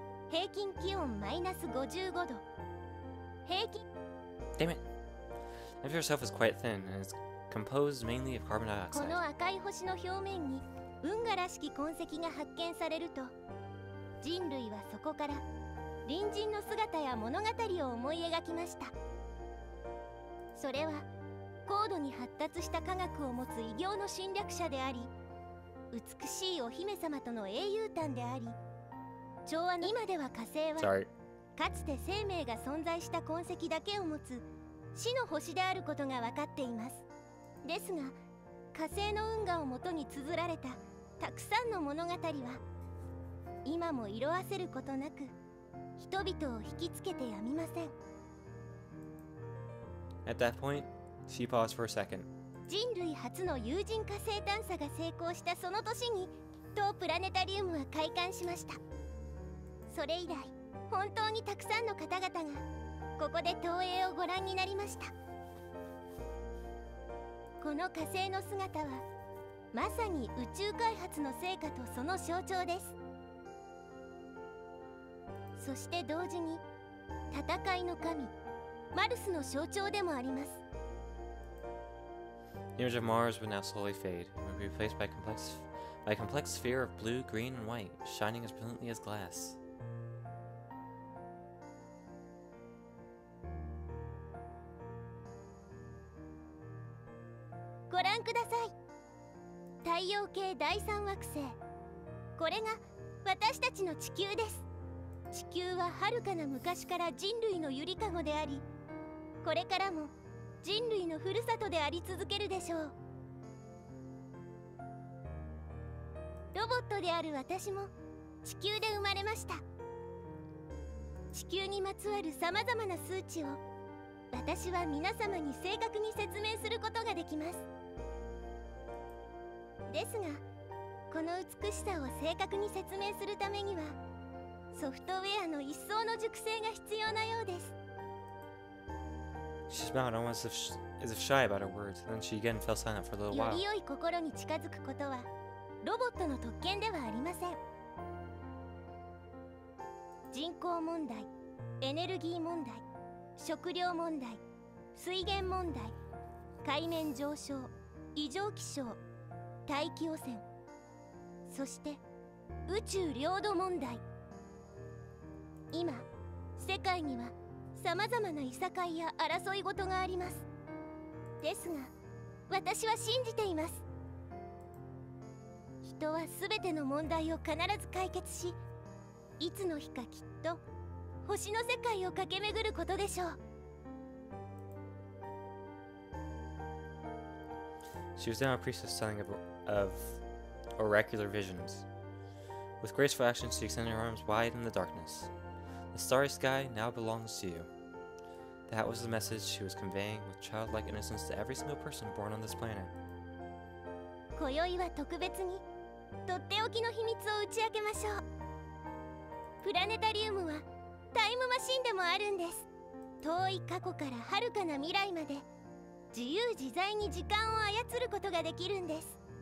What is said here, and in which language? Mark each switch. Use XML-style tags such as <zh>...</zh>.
<ja>これが火星です。直径6794km、公転周期685日、平均気温マイナス55度。</ja> <en>Damn it! Earth herself is quite thin, and its composed mainly of carbon dioxide.</en> <ja>この赤い星の表面に運河らしき痕跡が発見されると、人類はそこから隣人の姿や物語を思い描きました。それは高度に発達した科学を持つ異形の侵略者であり、美しいお姫様との英雄譚であり、調和の今では火星は、かつて生命が存在した痕跡だけを持つ死の星であることが分かっています。ですが、火星の運河をもとに綴られたたくさんの物語は、今も色褪せることなく、人々を引きつけてやみません。</ja> <en>At that point, she paused for a second.</en> <ja>人類初の有人火星探査が成功したその年に、当プラネタリウムは開館しました。それ以来、本当にたくさんの方々が、ここで投影をご覧になりました。この火星の姿は、まさに宇宙開発の成果とその象徴です。そして同時に、戦いの神、マルスの象徴でもあります。</ja> <en>The image of Mars would now slowly fade, and be replaced by a complex sphere of blue, green, and white, shining as brilliantly as glass.</en> <ja>ご覧ください。太陽系第三惑星。これが私たちの地球です。地球は遥かな昔から人類のゆりかごであり、これからも人類のふるさとであり続けるでしょう。ロボットである私も地球で生まれました。地球にまつわるさまざまな数値を私は皆様に正確に説明することができます。ですが、この美しさを正確に説明するためには、ソフトウェアの一層の熟成が必要なようです。</ja> <en>She smiled almost as if shy about her words, then she again fell silent for a little while.</en> <ja>より良い心に近づくことは、ロボットの特権ではありません。人口問題、エネルギー問題、食料問題、水源問題、海面上昇、異常気象、大気汚染、そして宇宙領土問題。今、世界にはさまざまないさかいや争い事があります。ですが、私は信じています。人はすべての問題を必ず解決し、いつの日かきっと星の世界を駆け巡ることでしょう。</ja> <en>She was now a priestess telling of oracular visions. With graceful actions, she extended her arms wide in the darkness. The starry sky now belongs to you. That was the message she was conveying with childlike innocence to every single person born on this planet.</en> <ja>今宵は特別に、とっておきの秘密を打ち明けましょう。プラネタリウムはタイムマシンでもあるんです。遠い過去から遥かな未来まで、自由自在に時間を操ることができるんです。</ja>